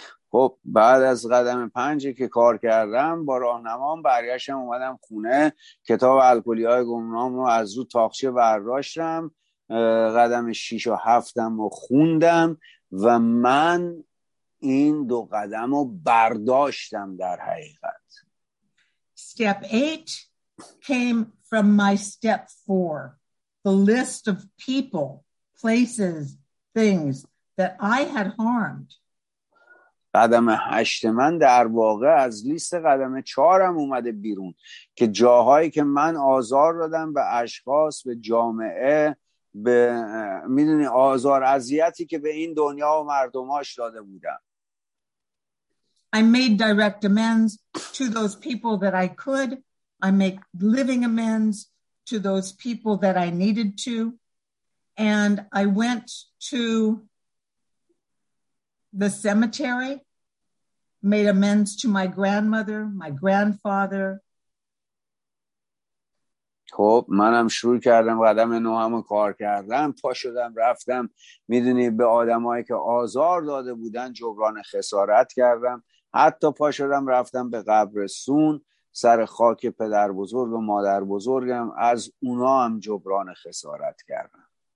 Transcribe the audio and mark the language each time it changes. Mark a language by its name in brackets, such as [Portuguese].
[Persian] خب بعد از قدم 5 که کار کردم با راهنمام برگشتم اومدم خونه، کتاب الکلی‌های گمنام رو از رو تاخچه برداشتم، قدم 6 و 7م رو خوندم و من این دو قدم رو برداشتم در حقیقت. [English] Step 8 came from my step 4, the list of people, places, things that I had harmed. [Persian] قدم 8 من در واقع از لیست قدم 4م اومده بیرون که جاهایی که من آزار دادم به اشخاص، به جامعه، به میدونی آزار اذیتی که به این دنیا و مردماش داده بودم. [English] I made direct amends to those people that I could. I make living amends to those people that I needed to. And I went to the cemetery, made amends to my grandmother, my grandfather. [Persian] خب منم شروع کردم قدم نهم رو کار کردم، پا شدم رفتم میدونی به آدمایی که آزار داده بودن جبران خسارت کردم، حتی پا شدم رفتم به قبرستون سر خاک پدر بزرگ و مادر بزرگم، از اونا هم جبران خسارت کردم.